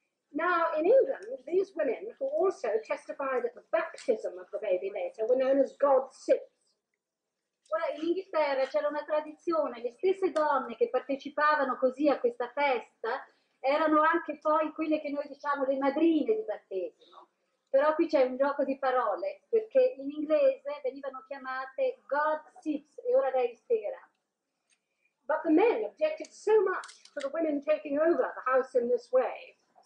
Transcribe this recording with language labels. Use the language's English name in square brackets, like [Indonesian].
[English] Now in England, these women who also testified at the baptism of the baby later were known as godsips. [Italian] Ora in Inghilterra c'era una tradizione, le stesse donne che partecipavano così a questa festa erano anche poi quelle che noi diciamo le madrine di battesimo. Però qui c'è un gioco di parole, perché in inglese venivano chiamate godsips e ora lei spiegherà. [English] But the men objected so much to the women taking over the house in this way.